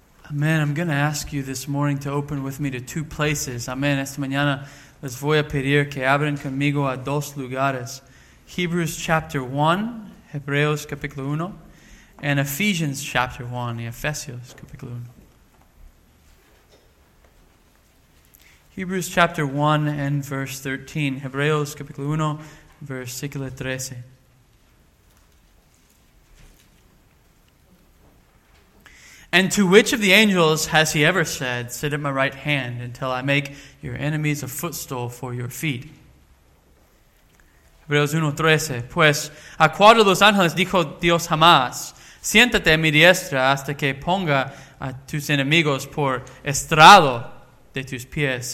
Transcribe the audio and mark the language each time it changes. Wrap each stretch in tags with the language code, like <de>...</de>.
<en>Man, I'm going to ask you this morning to open with me to two places. Amen.</en> <es>Esta mañana les voy a pedir que abran conmigo a dos lugares.</es> <en>Hebrews chapter 1,</en> <es>Hebreos capítulo 1,</es> <en>and Ephesians chapter 1,</en> <es>y Efesios capítulo 1.</es> <en>Hebrews chapter 1 and verse 13.</en> <es>Hebreos capítulo 1, versículo 13.</es> <en>And to which of the angels has he ever said, "Sit at my right hand until I make your enemies a footstool for your feet"?</en> <es>Hebreos 1:13. Pues, ¿a cuál de los ángeles dijo Dios jamás, siéntate a mi diestra hasta que ponga a tus enemigos por estrado de tus pies?</es>